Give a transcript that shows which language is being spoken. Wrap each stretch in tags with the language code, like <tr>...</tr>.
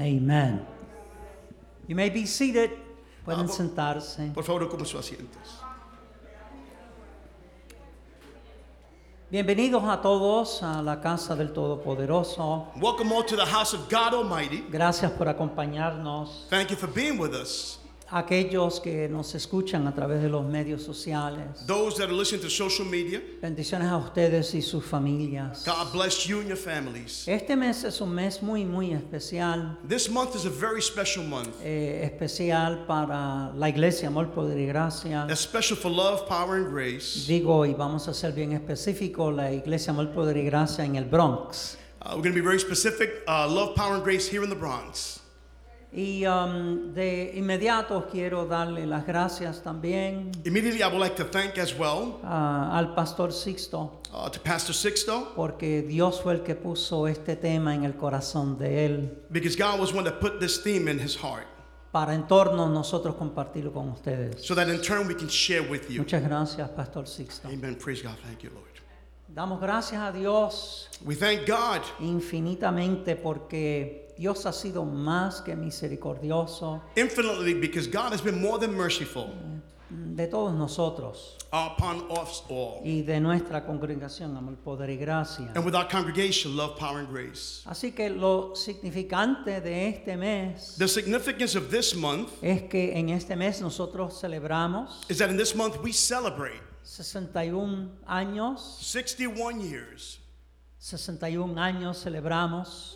<en>Amen. You may be seated.</en> <es>Pueden sentarse. Por favor, ocupen sus asientos. Bienvenidos a todos a la casa del Todopoderoso.</es> <en>Welcome all to the house of God Almighty.</en> <es>Gracias por acompañarnos.</es> <en>Thank you for being with us.</en> <es>Aquellos que nos escuchan a través de los medios sociales.</es> <en>Those that are listening to social media.</en> <es>Bendiciones a ustedes y sus familias.</es> <en>God bless you and your families.</en> <es>Este mes es un mes muy, muy especial.</es> <en>This month is a very special month.</en> <es>Especial para la iglesia, amor, poder y gracia.</es> <en>Especial for love, power and grace.</en> <es>Digo, y vamos a ser bien específico, la iglesia, amor, poder y gracia en el Bronx.</es> <en>We're going to be very specific, love, power and grace here in the Bronx.</en> <es>Y de inmediato quiero darle las gracias también.</es> <en>Immediately I would like to thank as well</en> <es>al Pastor Sixto.</es> <en>To Pastor Sixto.</en> <es>Porque Dios fue el que puso este tema en el corazón de él.</es> <en>Because God was one that put this theme in his heart.</en> <es>Para en torno nosotros compartirlo con ustedes.</es> <en>So that in turn we can share with you.</en> <es>Muchas gracias, Pastor Sixto.</es> <en>Amen. Praise God. Thank you, Lord.</en> <es>Damos gracias a Dios.</es> <en>We thank God.</en> <es>Infinitamente porque Dios ha sido más que misericordioso.</es> <en>Infinitely, because God has been more than merciful.</en> <es>De todos nosotros.</es> <en>Upon us all.</en> <es>Y de nuestra congregación, amor, poder y gracia.</es> <en>And with our congregation, love, power, and grace.</en> <es>Así que lo significante de este mes.</es> <en>The significance of this month.</en> <es>Es que en este mes nosotros celebramos.</es> <en>Is that in this month we celebrate.</en> <es>61 años.</es> <en>61 years.</en> <es>61 años celebramos.</es>